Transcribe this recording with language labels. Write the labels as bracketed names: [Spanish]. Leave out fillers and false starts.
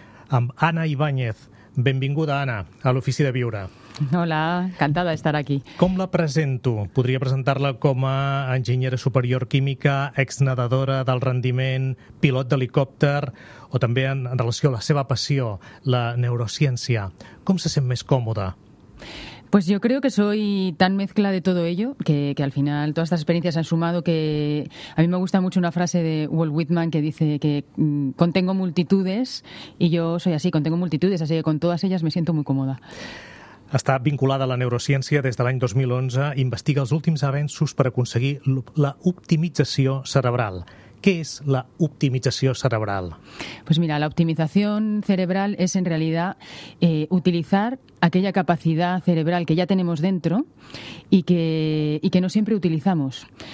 [Catalan] Amb Anna Ibáñez. Benvinguda, Anna, a l'ofici de viure. Hola, encantada d'estar aquí. Com la presento? Podria presentar-la com a enginyera superior química, exnedadora del rendiment, pilot d'helicòpter, o també en relació a la seva passió, la neurociència. Com se sent més còmoda? [Spanish] Pues yo creo que soy tan mezcla de todo ello que al final todas estas experiencias han sumado que a mí me gusta mucho una frase de Walt Whitman que dice que contengo multitudes y yo soy así, contengo multitudes, así que con todas ellas me siento muy cómoda. [Catalan] Està vinculada a la neurociència des de l'any 2011, investiga els últims avenços per aconseguir la optimització cerebral. [Spanish] ¿Qué es la optimización cerebral? Pues mira, la optimización cerebral es en realidad utilizar aquella capacidad cerebral que ya tenemos dentro y que no siempre utilizamos.